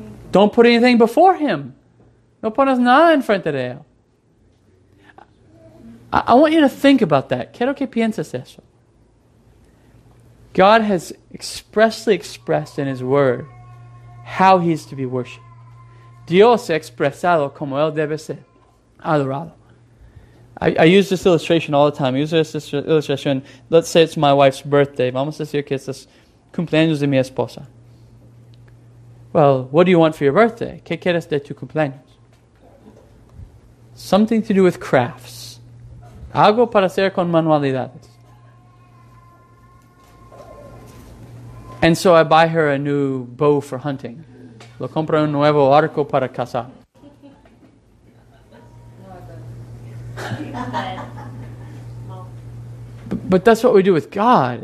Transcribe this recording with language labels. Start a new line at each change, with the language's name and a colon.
English: Don't put anything before Him.
Spanish: No pones nada en frente de él.
English: I want you to think about that.
Spanish: Quiero que pienses eso.
English: God has expressly expressed in His Word how He is to be worshipped.
Spanish: Dios ha expresado como Él debe ser adorado.
English: I use this illustration all the time. I use this illustration. Let's say it's my wife's birthday.
Spanish: Vamos a decir que es cumpleaños de mi esposa.
English: Well, what do you want for your birthday?
Spanish: ¿Qué quieres de tu cumpleaños?
English: Something to do with crafts.
Spanish: Algo para hacer con manualidades.
English: And so I buy her a new bow for hunting.
Spanish: Lo compro un nuevo arco para cazar.
English: But that's what we do with God.